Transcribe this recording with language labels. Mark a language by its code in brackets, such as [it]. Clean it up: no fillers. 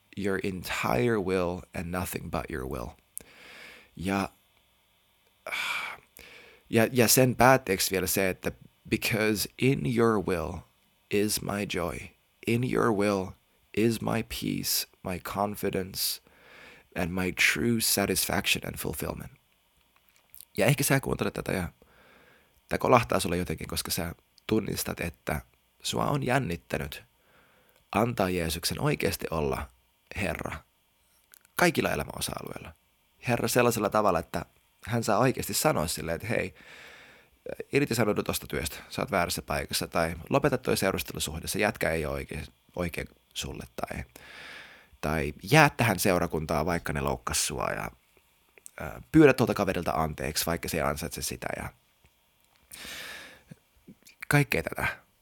[en] Your entire will and nothing but your will. [fi] Ja sen päätteeksi vielä se, että [en] because in your will is my joy. In your will is my peace, my confidence, and my true satisfaction and fulfillment. [fi] Ja ehkä sä kuuntelet tätä ja tämä kolahtaa sulle jotenkin, koska sä tunnistat, että sua on jännittänyt antaa Jeesuksen oikeasti olla Herra kaikilla elämäosa-alueilla. Herra sellaisella tavalla, että hän saa oikeasti sanoa silleen, että hei, irtisanoudu tuosta työstä, sä oot väärässä paikassa, tai lopeta toi seurustelusuhde, se jätkä ei ole oikein sulle, tai jää tähän seurakuntaan, vaikka ne loukkas sua, ja pyydä tuolta kaverilta anteeksi, vaikka se ei ansaitse sitä, ja kaikkea tätä.